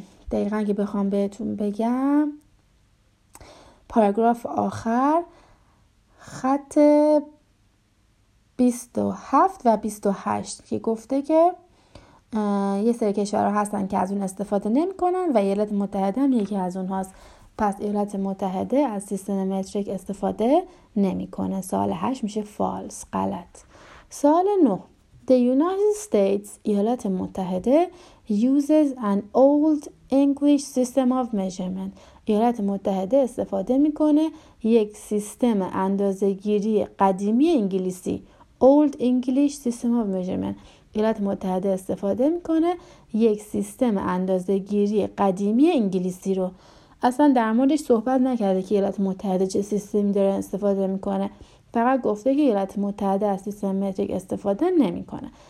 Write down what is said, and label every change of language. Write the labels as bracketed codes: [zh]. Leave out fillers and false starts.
[fa] دقیقا که بخوام بهتون بگم، پاراگراف آخر خط 27 و 28 که گفته که یه سری کشورها هستن که از اون استفاده نمی کنن و ایالات متحده هم یکی از اونهاست، پس ایالات متحده از سیستم متریک استفاده نمی کنه. سال 8 میشه فالس، غلط. سال 9، [en] the United States، [fa] ایالات متحده، [en] uses an old English system of measurement. [fa] ایالات متحده استفاده میکنه یک سیستم اندازه‌گیری قدیمی انگلیسی، [en] old English system of measurement. [fa] ایالات متحده استفاده میکنه یک سیستم اندازه‌گیری قدیمی انگلیسی رو. اصلا در موردش صحبت نکرده که ایالات متحده چه سیستمی داره استفاده میکنه، فقط گفته که ایالات متحده از سیستم متریک استفاده نمیکنه.